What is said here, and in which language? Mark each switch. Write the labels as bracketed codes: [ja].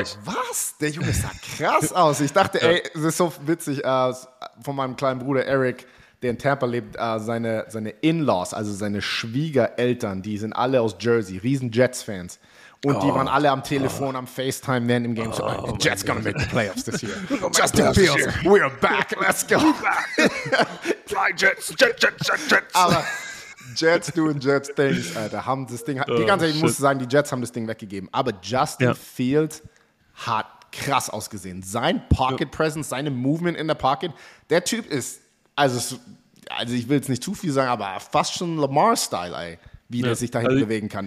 [de] ich. Was? Der Junge sah krass aus. Ich dachte, es ist so witzig, von meinem kleinen Bruder Eric, der in Tampa lebt, seine In-Laws, also seine Schwiegereltern, die sind alle aus Jersey, riesen Jets-Fans. Und die waren alle am Telefon, am FaceTime während im Game. [en] Oh, so, Jets gonna make the playoffs this year. Justin Fields, we're back, let's go. Fly Jets. Aber Jets doing Jets things, Alter. [de] Haben das Ding, die ganze Zeit, ich muss sagen, die Jets haben das Ding weggegeben. Aber Justin Fields hat krass ausgesehen. Sein Pocket Presence, seine Movement in der Pocket, der Typ ist, also ich will jetzt nicht zu viel sagen, aber fast schon Lamar-Style, ey. wie der sich dahin bewegen kann.